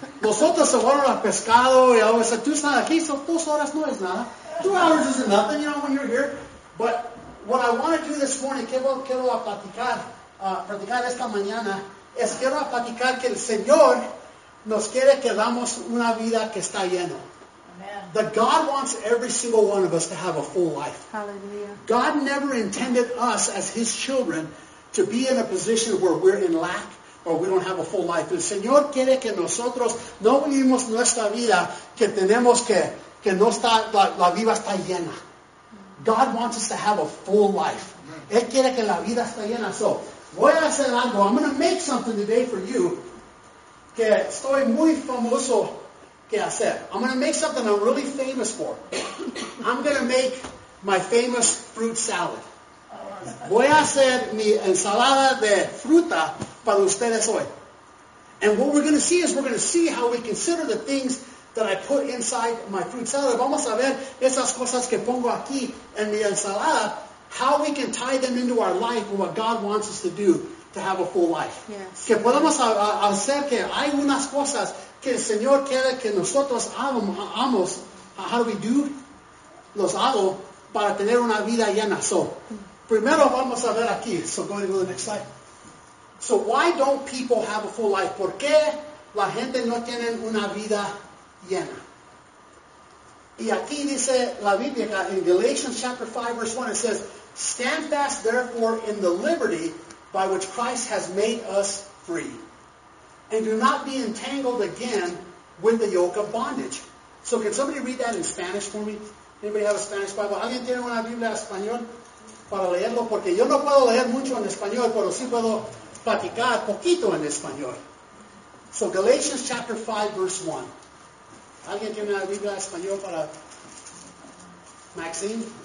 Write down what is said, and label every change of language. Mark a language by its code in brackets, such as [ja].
[es] Vosotros se fueron a pescado y ahora están, tú estás aquí. So 2 horas no es nada. [en] 2 hours isn't nothing, you know, when you're here. [es] But what I want to do this morning, quiero platicar esta mañana, es quiero platicar que el Señor nos quiere que damos una vida que está lleno. [en] That God wants every single one of us to have a full life. Hallelujah. God never intended us as His children to be in a position where we're in lack or we don't have a full life. [es] El Señor quiere que nosotros no vivimos nuestra vida que tenemos que no está, la vida está llena. [en] God wants us to have a full life. Amen. Él quiere que la vida está llena. [es] So, voy a hacer algo. I'm going to make something today for you que estoy muy famoso que hacer. [en] I'm going to make something I'm really famous for. I'm going to make my famous fruit salad. [es] Voy a hacer mi ensalada de fruta para ustedes hoy. [en] And what we're going to see is we're going to see how we consider the things that I put inside my fruit salad. Vamos a ver esas cosas que pongo aquí en mi ensalada, how we can tie them into our life and what God wants us to do to have a full life. Yes. [es] Que podamos hacer que hay unas cosas que el Señor quiere que nosotros hagamos. How do we do? Los hago para tener una vida llena. So, primero vamos a ver aquí. [en] So, go ahead and go to the next slide. So, why don't people have a full life? [es] ¿Por qué la gente no tiene una vida llena? [en] Y aquí dice la Biblia, in Galatians chapter 5, verse 1, it says, stand fast, therefore, in the liberty by which Christ has made us free. And do not be entangled again with the yoke of bondage. So can somebody read that in Spanish for me? Anybody have a Spanish Bible? [es] ¿Alguien tiene una Biblia en español para leerlo? Porque yo no puedo leer mucho en español, pero sí puedo platicar poquito en español. So Galatians chapter 5, verse 1. ¿Alguien tiene una Biblia en español para Maxine?